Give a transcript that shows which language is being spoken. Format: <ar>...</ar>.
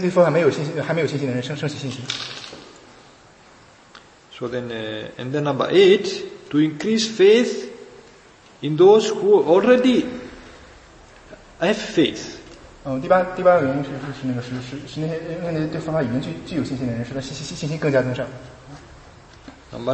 <zh>第七个原因是为了那个令未信者生信，对佛法还没有信心的人升起信心。</zh> <en>So then, and then number eight, to increase faith in those who already have faith.</en> <zh>第八个原因是那些对方法已经具有信心的人，使他信心更加增上。Number</zh>